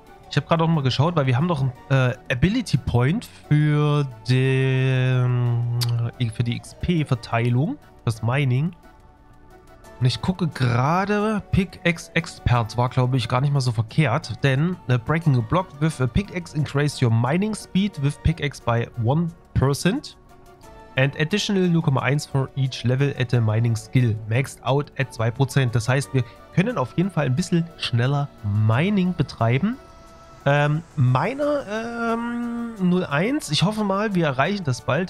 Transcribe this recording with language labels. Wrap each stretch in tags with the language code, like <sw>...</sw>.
<de>Ich habe gerade auch mal geschaut, weil wir haben doch einen Ability Point für die XP-Verteilung, das Mining. Und ich gucke gerade, Pickaxe Expert war, glaube ich, gar nicht mal so verkehrt. Denn</de> <en>Breaking a Block with a Pickaxe increase your Mining Speed with Pickaxe by 1% and additional 0,1 for each level at the Mining Skill, maxed out at 2%.</en> <de>Das heißt, wir können auf jeden Fall ein bisschen schneller Mining betreiben. Meiner 01, ich hoffe mal, wir erreichen das bald.</de>